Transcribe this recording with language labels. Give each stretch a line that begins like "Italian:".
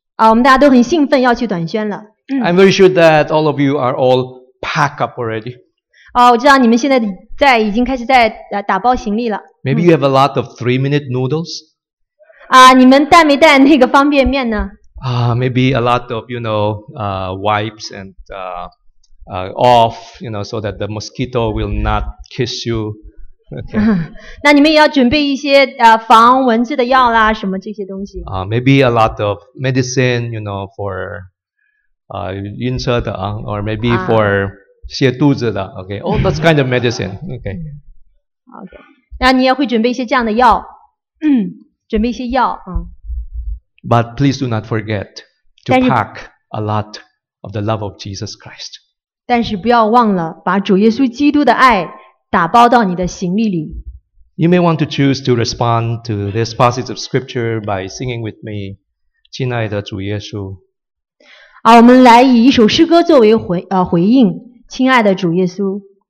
Chinese: 我们大家都很兴奋要去短宣了。
English: I'm very sure that all of you are all packed up already.
Chinese: 我知道你们现在已经开始在打包行李了。
English: Maybe you have a lot of 3-minute noodles.
Chinese: 你们带没带那个方便面呢？
English: Maybe a lot of, you know, wipes and off, you know, so that the mosquito will not kiss you
Chinese: 那你们也要准备一些防蚊子的药啦，什么这些东西。
English: Maybe a lot of medicine, you know, for
Chinese: 晕车的啊
English: ，or maybe for
Chinese: 泻肚子的。
English: Okay, all those kind of medicine. Okay. Okay.
Chinese: 那你也会准备一些这样的药，准备一些药啊。
English: But please do not forget to pack a lot of the love of Jesus Christ.
Chinese: 但是不要忘了把主耶稣基督的爱打包到你的行李里。
English: You may want to choose to respond to this passage of scripture by singing with me,
Chinese: 亲爱的主耶稣。啊，我们来以一首诗歌作为回应，亲爱的主耶稣。